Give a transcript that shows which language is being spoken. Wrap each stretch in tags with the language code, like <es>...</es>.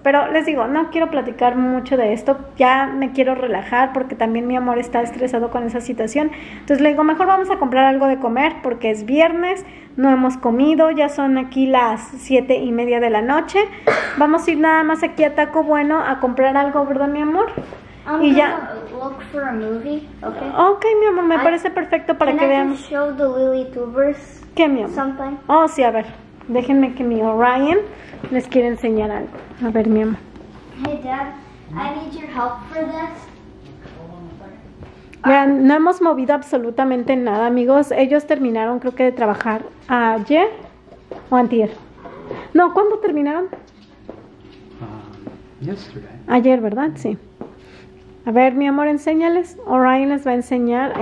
<es>Pero les digo, no quiero platicar mucho de esto, ya me quiero relajar porque también mi amor está estresado con esa situación. Entonces le digo, mejor vamos a comprar algo de comer porque es viernes, no hemos comido, ya son aquí las 7:30 de la noche. Vamos a ir nada más aquí a Taco Bueno a comprar algo, ¿verdad, mi amor?</es> <en>I'm gonna look for a movie, okay?</en> <es>Okay, mi amor, me parece perfecto para que veamos.</es> <en>Can I show the LilyTubers?</en> <es>¿Qué, mi amor?</es> <en>Something.</en> <es>Oh, sí, a ver. Déjenme que mi Orion les quiera enseñar algo. A ver, mi amor.</es> <en>Hey, Dad, I need your help for this.</en> <es>Vean, no hemos movido absolutamente nada, amigos. Ellos terminaron, creo que, de trabajar ayer o antier. No, ¿cuándo terminaron?</es> <en>Yesterday.</en> <es>Ayer, ¿verdad? Sí. A ver, mi amor, enséñales. Orion les va a enseñar.</es>